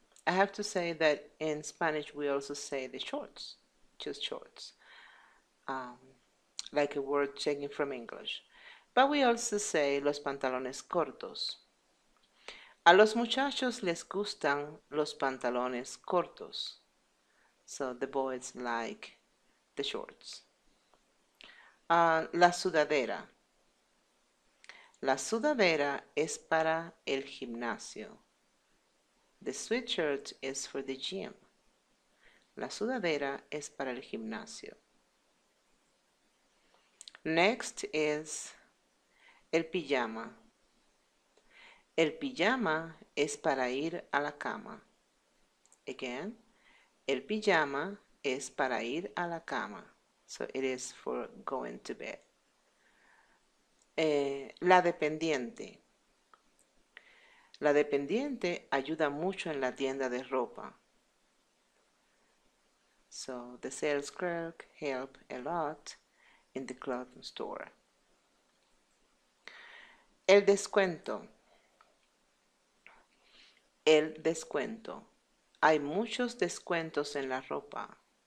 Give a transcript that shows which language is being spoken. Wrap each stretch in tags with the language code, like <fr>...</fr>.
<en>I have to say that in Spanish we also say the shorts, just shorts, like a word taken from English. But we also say</en> <es>los pantalones cortos. A los muchachos les gustan los pantalones cortos.</es> <en>So the boys like the shorts.</en> <es>La sudadera. La sudadera es para el gimnasio.</es> <en>The sweatshirt is for the gym.</en> <es>La sudadera es para el gimnasio.</es> <en>Next is el pijama.</en> <es>El pijama es para ir a la cama.</es> <en>Again,</en> <es>el pijama es para ir a la cama.</es> <en>So it is for going to bed.</en> <es>La dependiente. La dependiente ayuda mucho en la tienda de ropa.</es> <en>So the sales clerk help a lot in the clothing store.</en> <es>El descuento. El descuento. Hay muchos descuentos en la ropa.</es>